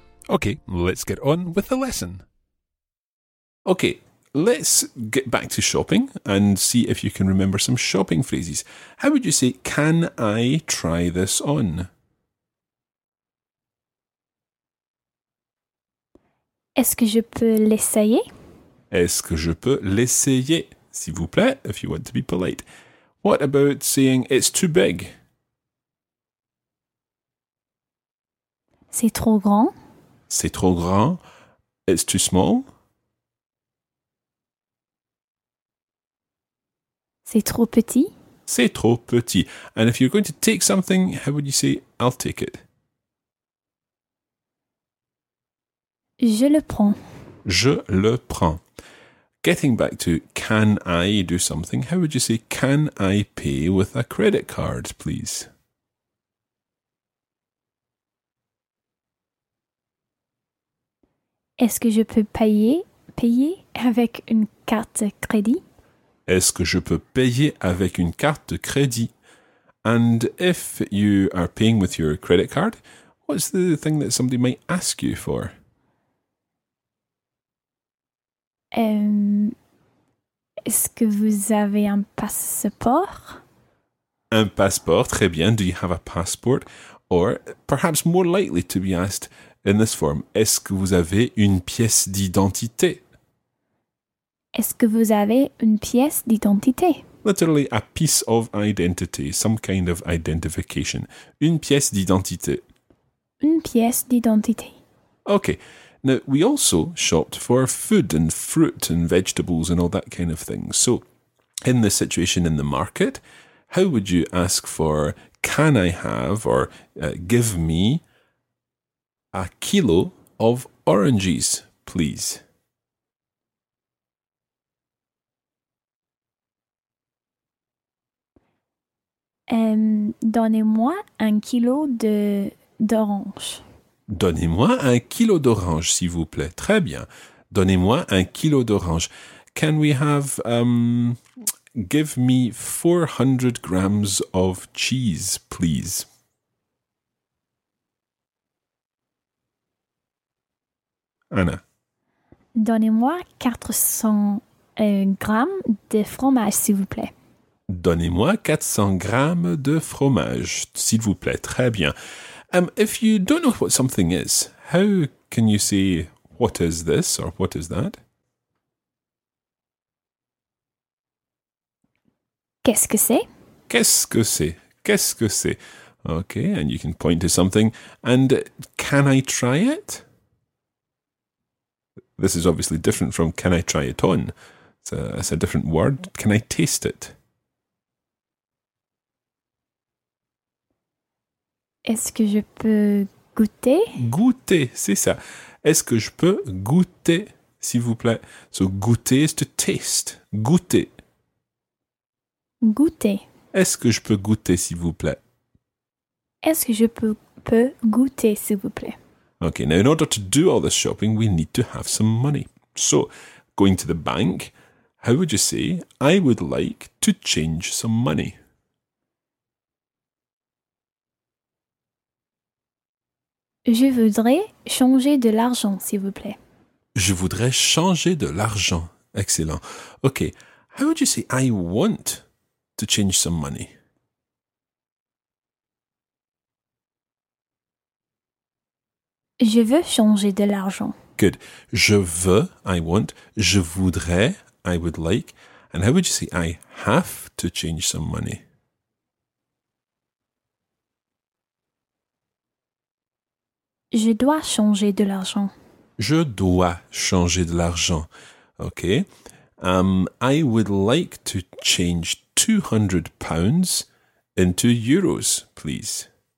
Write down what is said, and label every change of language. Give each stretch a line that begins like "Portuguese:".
English: Okay, let's get on with the lesson. Okay, let's get back to shopping and see if you can remember some shopping phrases. How would you say, can I try this on?
French: Est-ce que je peux l'essayer? Est-ce que je peux l'essayer, s'il vous plaît,
English: if you want to be polite. What about saying, it's too big?
French: C'est trop grand. C'est trop grand.
English: It's too small.
French: C'est trop petit. C'est trop petit.
English: And if you're going to take something, how would you say, I'll take it?
French: Je le prends. Je le prends.
English: Getting back to, can I do something? How would you say, can I pay with a credit card, please?
French: Est-ce que je peux payer avec une carte crédit? Est-ce que je peux payer avec une carte de crédit?
English: And if you are paying with your credit card, what's the thing that somebody might ask you for?
French: Est-ce que vous avez un passeport? Un passeport, très bien.
English: Do you have a passport? Or perhaps more likely to be asked in this form,
French: est-ce que vous avez une pièce d'identité? Est-ce que vous avez une pièce d'identité?
English: Literally, a piece of identity, some kind of identification.
French: Une pièce d'identité. Une pièce d'identité.
English: Okay. Now, we also shopped for food and fruit and vegetables and all that kind of thing. So, in this situation in the market, how would you ask for, can I have or give me a kilo of oranges, please?
French: Donnez-moi un kilo d'orange. Donnez-moi un kilo d'orange, s'il vous plaît. Très bien. Donnez-moi un kilo d'orange.
English: Can we have, give me 400 grams of cheese, please? Anna.
French: Donnez-moi 400 grammes de fromage, s'il vous plaît. Donnez-moi 400 grammes de fromage, s'il vous plaît. Très bien.
English: If you don't know what something is, how can you say, what is this or what is that?
French: Qu'est-ce que c'est? Qu'est-ce que c'est? Qu'est-ce que c'est?
English: Okay, and you can point to something. And can I try it? This is obviously different from can I try it on. It's a different word. Can I taste it?
French: Est-ce que je peux goûter? Goûter, c'est ça. Est-ce que je peux goûter, s'il vous plaît?
English: So, goûter is to taste. Goûter.
French: Goûter. Est-ce que je peux goûter, s'il vous plaît? Est-ce que je peux goûter, s'il vous plaît?
English: Okay, now in order to do all this shopping, we need to have some money. So, going to the bank, how would you say, I would like to change some money?
French: Je voudrais changer de l'argent, s'il vous plaît. Je voudrais changer de l'argent.
English: Excellent. Okay. How would you say I want to change some money?
French: Je veux changer de l'argent.
English: Good.
French: Je veux,
English: I want,
French: je voudrais,
English: I would like. And how would you say I have to change some money?
French: Je dois changer de l'argent. Je dois changer de l'argent.
English: OK. I would like to change 200 pounds into euros, please.